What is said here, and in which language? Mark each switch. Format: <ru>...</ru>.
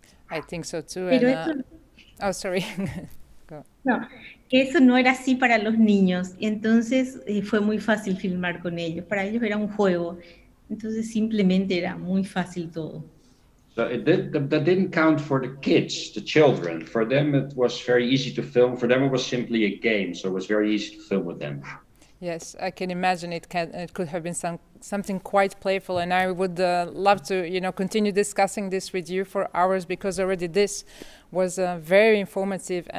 <en>I think so too.</en> <es>Pero eso...</es> <en>Oh, sorry. Go. No.</en> <es>Que eso no era así para los niños, entonces fue muy fácil filmar con ellos. Para ellos era un juego, entonces simplemente era muy fácil todo.</es> <en>So it that didn't count for the kids, the children. For them it was very easy to film. For them it was simply a game, so it was very easy to film with them. Yes, I can imagine it could have been something quite playful, and I would love to, you know, continue discussing this with you for hours, because already this was very informative.</en>